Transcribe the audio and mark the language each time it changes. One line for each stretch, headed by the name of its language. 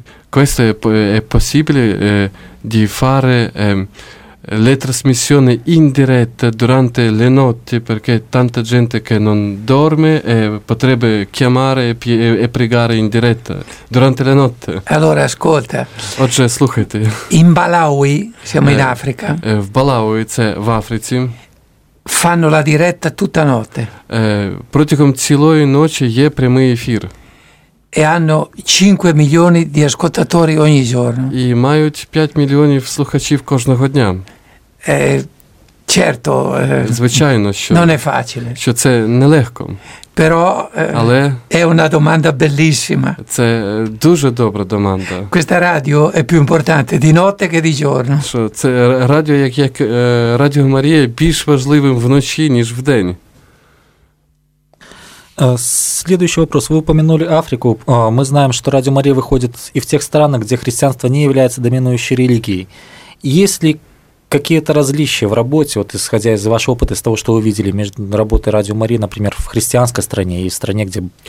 Italian: Questo è possibile di fare le trasmissioni in diretta durante le notti, perché tanta gente che non dorme potrebbe chiamare e pregare in diretta durante la notte. Allora ascolta. Oggi ascoltate. In Malawi, siamo in Africa.
Ukrainian: В Балауї, це в Африці.
Italian: Fanno la diretta tutta notte.
Ukrainian: Протягом цілої ночі є прямий ефір.
Italian: E hanno 5 milioni di ascoltatori ogni giorno.
Ukrainian: І мають 5 мільйонів слухачів кожного дня.
Italian: Certo,
Ukrainian: звичайно, що
Italian: non è facile.
Ukrainian: Що це нелегко.
Italian: Però
Ukrainian: Але
Italian: è una domanda bellissima.
Ukrainian: Це дуже добра domanda.
Italian: Questa radio è più importante di notte che di giorno.
Ukrainian: Що це радіо, як Радіо Марія, більш важливим вночі, ніж вдень.
Russian: Следующий вопрос. Вы упомянули Африку. Мы знаем, что Радио Мария выходит и в тех странах, где христианство не является доминирующей религией. Есть ли какие-то различия в работе, вот исходя из вашего опыта, из того, что вы видели между работой Радио Марии, например, в христианской стране и в стране, где...